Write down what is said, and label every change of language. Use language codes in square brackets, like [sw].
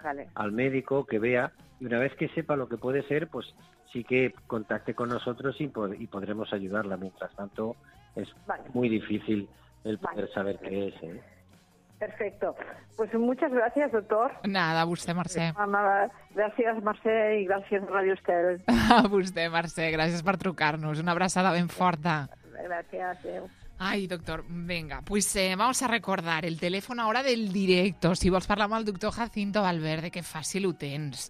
[es] vale al médico que vea y una vez que sepa lo que puede ser, pues... Así que contacte con nosotros y podremos ayudarla. Mientras tanto, es vale muy difícil el poder vale saber qué es. Perfecto. Pues muchas gracias, doctor. Nada, a usted, Mercè. Gracias, Mercè, [ca] i gràcies, [es] Radio Estel. A usted, [ca] Mercè, gràcies per trucar-nos. Una abraçada ben forta. Gràcies, adéu. [es] Ay, doctor, venga, pues vamos a recordar el teléfono ahora del directo. [ca] Si vols parlar amb el doctor Jacinto Valverde, que fàcil ho tens.